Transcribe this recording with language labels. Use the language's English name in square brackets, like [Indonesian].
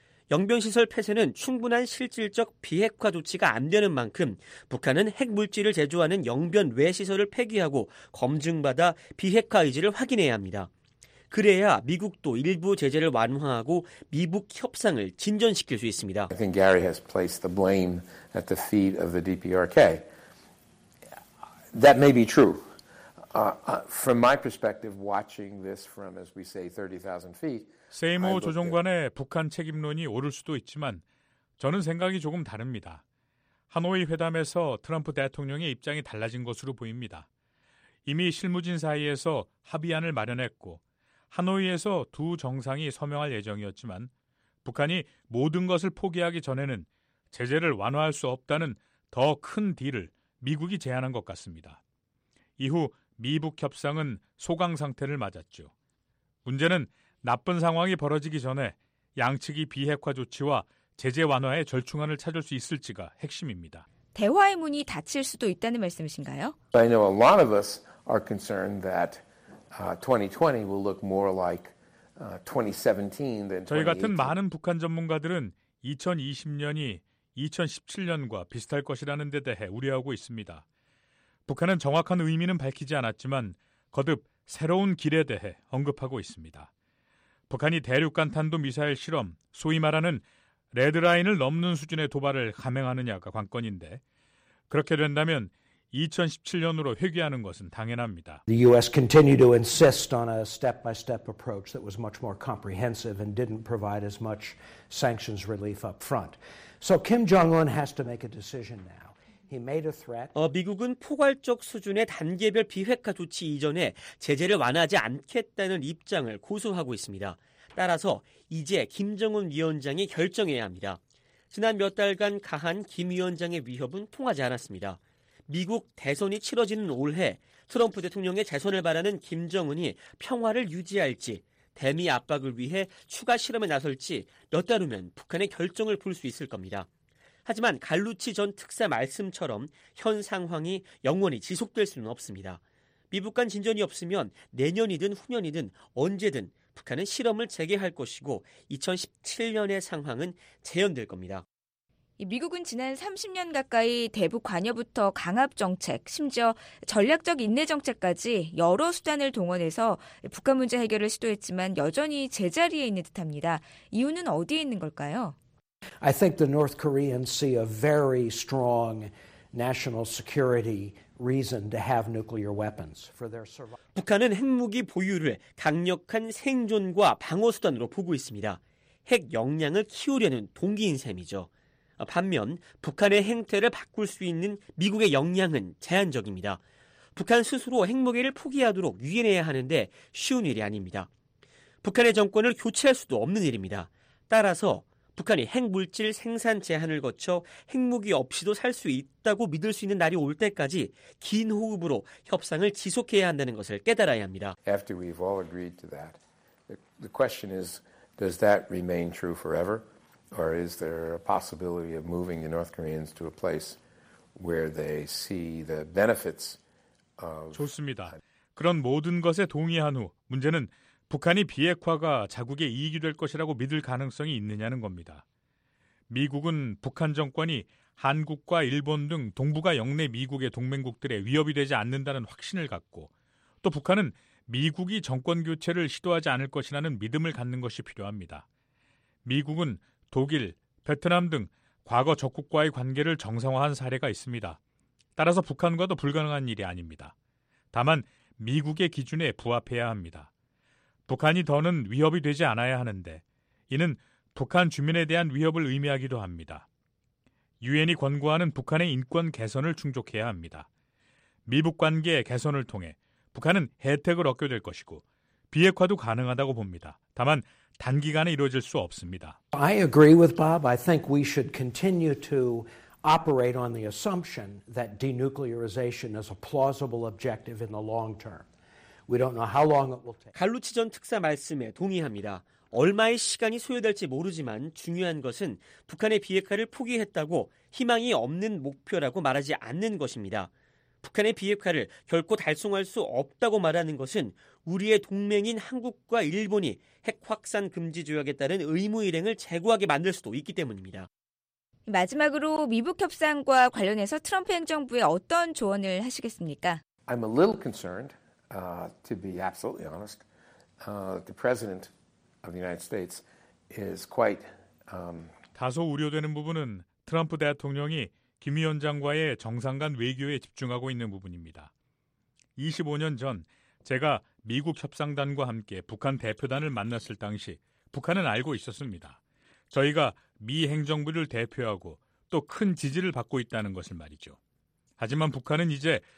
[Korean] 영변시설 폐쇄는 충분한 실질적 비핵화 조치가 안 되는 만큼 북한은 핵물질을 제조하는 영변 외 시설을 폐기하고 검증받아 비핵화 의지를 확인해야 합니다. 그래야 미국도 일부 제재를 완화하고 미북 협상을 진전시킬 수 있습니다. [English] I think Gary has placed the blame at the feet of the DPRK. That may be true. From my perspective, watching this from, as we say, 30,000 feet, [Korean] 세이모 조정관의 북한 책임론이 옳을 수도 있지만 저는 생각이 조금 다릅니다. 하노이 회담에서 트럼프 대통령의 입장이 달라진 것으로 보입니다. 이미 실무진 사이에서 합의안을 마련했고 하노이에서 두 정상이 서명할 예정이었지만 북한이 모든 것을 포기하기 전에는 제재를 완화할 수 없다는 더 큰 딜을 미국이 제안한 것 같습니다. 이후 미북 협상은 소강 상태를 맞았죠. 문제는 나쁜 상황이 벌어지기 전에 양측이 비핵화 조치와 제재 완화의 절충안을 찾을 수 있을지가 핵심입니다. 대화의 문이 닫힐 수도 있다는 말씀이신가요? [English] I know a lot of us are concerned that 2020 will look more like 2017 than [Korean] 저희 같은 많은 북한 전문가들은 2020년이 2017년과 비슷할 것이라는 데 대해 우려하고 있습니다. 북한은 정확한 의미는 밝히지 않았지만 거듭 새로운 길에 대해 언급하고 있습니다. 북한이 대륙간탄도미사일 실험, 소위 말하는 레드라인을 넘는 수준의 도발을 감행하느냐가 관건인데 그렇게 된다면 2017년으로 회귀하는 것은 당연합니다. [English] The US continued to insist on a step-by-step approach that was much more comprehensive and didn't provide as much sanctions relief up front. So Kim Jong-un has to make a decision now. He made a threat. [Korean] 미국은 포괄적 수준의 단계별 비핵화 조치 이전에 제재를 완화하지 않겠다는 입장을 고수하고 있습니다. 따라서 이제 김정은 위원장이 결정해야 합니다. 지난 몇 달간 가한 김 위원장의 위협은 통하지 않았습니다. 미국 대선이 치러지는 올해 트럼프 대통령의 재선을 바라는 김정은이 평화를 유지할지 대미 압박을 위해 추가 실험에 나설지 몇 달 후면 북한의 결정을 볼 수 있을 겁니다. 하지만 갈루치 전 특사 말씀처럼 현 상황이 영원히 지속될 수는 없습니다. 미북 간 진전이 없으면 내년이든 후년이든 언제든 북한은 실험을 재개할 것이고 2017년의 상황은 재현될 겁니다. 미국은 지난 30년 가까이 대북 관여부터 강압 정책, 심지어 전략적 인내 정책까지 여러 수단을 동원해서 북한 문제 해결을 시도했지만 여전히 제자리에 있는 듯합니다. 이유는 어디에 있는 걸까요? [English] I think the North Koreans see a very strong national security reason to have nuclear weapons for their survival. [Korean] 북한은 핵무기 보유를 강력한 생존과 방어 수단으로 보고 있습니다. 핵 역량을 키우려는 동기인 셈이죠. 반면 북한의 행태를 바꿀 수 있는 미국의 역량은 제한적입니다. 북한 스스로 핵무기를 포기하도록 유인해야 하는데 쉬운 일이 아닙니다. 북한의 정권을 교체할 수도 없는 일입니다. 따라서 북한이 핵물질 생산 제한을 거쳐 핵무기 없이도 살 수 있다고 믿을 수 있는 날이 올 때까지 긴 호흡으로 협상을 지속해야 한다는 것을 깨달아야 합니다. [English] After we've all agreed to that, the question is, does that remain true forever? Or is there a possibility of moving the North Koreans to a place where they see the benefits of... [Korean] 좋습니다. 그런 모든 것에 동의한 후 문제는 북한이 비핵화가 자국의 이익이 될 것이라고 믿을 가능성이 있느냐는 겁니다. 미국은 북한 정권이 한국과 일본 등 동북아 영내 미국의 동맹국들의 위협이 되지 않는다는 확신을 갖고 또 북한은 미국이 정권 교체를 시도하지 않을 것이라는 믿음을 갖는 것이 필요합니다. 미국은 독일, 베트남 등 과거 적국과의 관계를 정상화한 사례가 있습니다. 따라서 북한과도 불가능한 일이 아닙니다. 다만 미국의 기준에 부합해야 합니다. 북한이 더는 위협이 되지 않아야 하는데 이는 북한 주민에 대한 위협을 의미하기도 합니다. 유엔이 권고하는 북한의 인권 개선을 충족해야 합니다. 미북 관계 개선을 통해 북한은 혜택을 얻게 될 것이고 비핵화도 가능하다고 봅니다. 다만 단기간에 이루어질 수 없습니다. [English] I agree with Bob. I think we should continue to operate on the assumption that denuclearization is a plausible objective in the long term. We don't know how long it will take. [Korean] 갈루치 전 특사 말씀에 동의합니다. 얼마의 시간이 소요될지 모르지만 중요한 것은 북한의 비핵화를 포기했다고 희망이 없는 목표라고 말하지 않는 것입니다. 북한의 비핵화를 결코 달성할 수 없다고 말하는 것은 우리의 동맹인 한국과 일본이 핵 확산 금지 조약에 따른 의무 일행을 재고하게 만들 수도 있기 때문입니다. 마지막으로 미북 협상과 관련해서 트럼프 행정부에 어떤 조언을 하시겠습니까? [English] I'm a little concerned, to be absolutely honest. The president of the United States is quite [Korean] 다소 우려되는 부분은 트럼프 대통령이 김 위원장과의 정상 간 외교에 집중하고 있는 부분입니다. 25년 전 제가 미국 협상단과 함께 북한 대표단을 만났을 당시 북한은 알고 있었습니다. 저희가 미 행정부를 대표하고 또 큰 지지를 받고 있다는 것을 말이죠. 하지만 북한은 이제